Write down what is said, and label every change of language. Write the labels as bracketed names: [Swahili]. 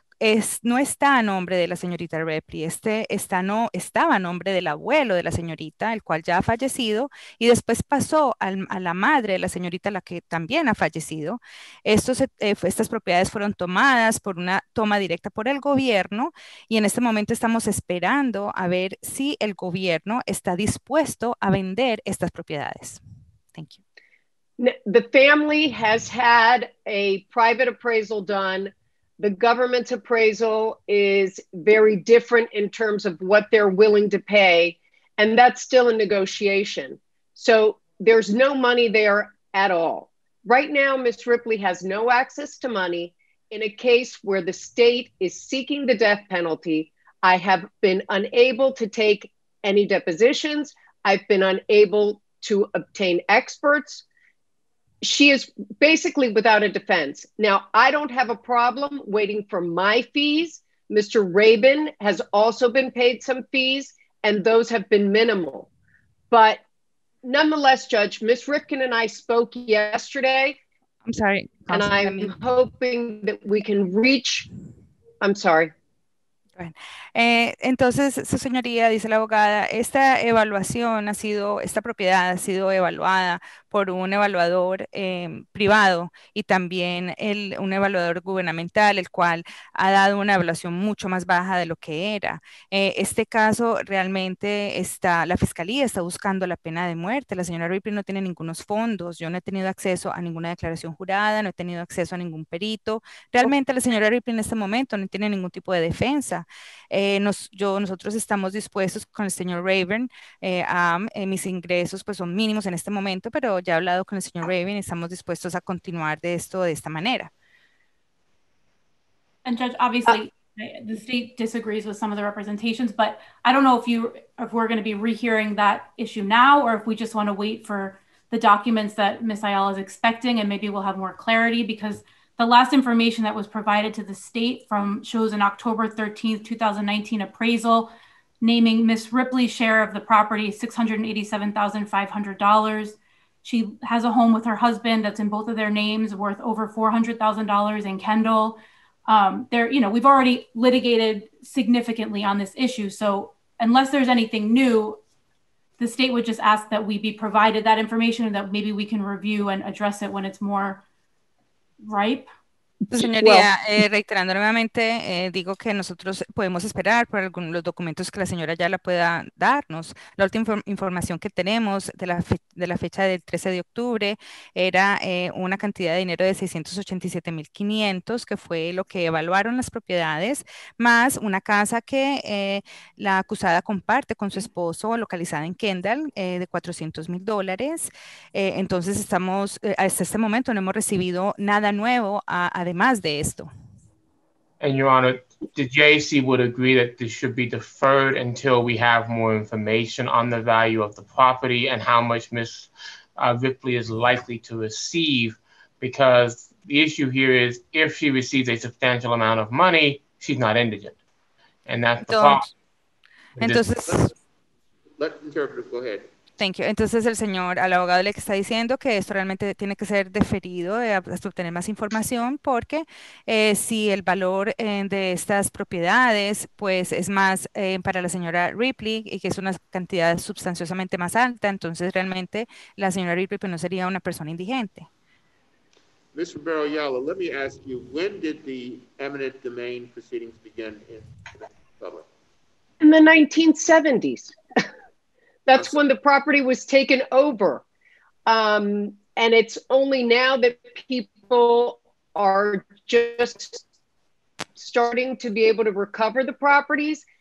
[Spanish] es, no está a nombre de la señorita Ripley, este está, no, estaba a nombre del abuelo de la señorita, el cual ya ha fallecido, y después pasó al, a la madre de la señorita, la que también ha fallecido. Estos, estas propiedades fueron tomadas por una toma directa por el gobierno, y en este momento estamos esperando a ver si el gobierno está dispuesto a vender estas propiedades. [English] Thank you. The family has had a private appraisal done. The government's appraisal is very different in terms of what they're willing to pay, and that's still a negotiation. So there's no money there at all. Right now, Ms. Ripley has no access to money in a case where the state is seeking the death penalty. I have been unable to take any depositions. I've been unable to obtain experts. She is basically without a defense. Now, I don't have a problem waiting for my fees. Mr. Rabin has also been paid some fees, and those have been minimal. But nonetheless, Judge, Ms. Rifkin and I spoke yesterday. I'm sorry. And I'm hoping that we can reach, I'm sorry. [Spanish] Entonces, su señoría, dice la abogada, esta evaluación ha sido, esta propiedad ha sido evaluada por un evaluador privado y también el, un evaluador gubernamental, el cual ha dado una evaluación mucho más baja de lo que era. Este caso realmente está, la fiscalía está buscando la pena de muerte. La señora Ripley no tiene ningunos fondos. Yo no he tenido acceso a ninguna declaración jurada, no he tenido acceso a ningún perito. Realmente la señora Ripley en este momento no tiene ningún tipo de defensa. Nosotros estamos dispuestos con el señor Raven, mis ingresos pues son mínimos en este momento, pero ya he hablado con el señor Raven, estamos dispuestos a continuar de esto de esta manera. [English] And Judge, obviously the state disagrees with some of the representations, but I don't know if you, if we're going to be rehearing that issue now, or if we just want to wait for the documents that Ms. Ayala is expecting, and maybe we'll have more clarity, because the last information that was provided to the state from shows an October 13th, 2019 appraisal naming Ms. Ripley's share of the property $687,500. She has a home with her husband that's in both of their names worth over $400,000 in Kendall. There, you know, we've already litigated significantly on this issue. So unless there's anything new, the state would just ask that we be provided that information and that maybe we can review and address it when it's more ripe. [Spanish] Pues, señoría, reiterando nuevamente, digo que nosotros podemos esperar por algunos los documentos que la señora Ayala pueda darnos. La última información que tenemos de la fecha del 13 de octubre era una cantidad de dinero de $687,500, que fue lo que evaluaron las propiedades, más una casa que la acusada comparte con su esposo, localizada en Kendall, de $400,000. Entonces, estamos hasta este momento no hemos recibido nada nuevo además de esto. [English] And Your Honor, the JAC would agree that this should be deferred until we have more information on the value of the property and how much Ms. Ripley is likely to receive, because the issue here is if she receives a substantial amount of money, she's not indigent. And that's the problem. [Spanish] Entonces, [English] let the interpreter go ahead. Thank you. [Spanish] Entonces el señor, al abogado le está diciendo que esto realmente tiene que ser deferido hasta obtener más información, porque si el valor de estas propiedades pues es más para la señora Ripley y que es una cantidad sustanciosamente más alta, entonces realmente la señora Ripley pues, no sería una persona indigente. [English] Mr. Barroyala, let me ask you, when did the eminent domain proceedings begin in the public? In the 1970s. That's when the property was taken over. And it's only now that people are just starting to be able to recover the properties.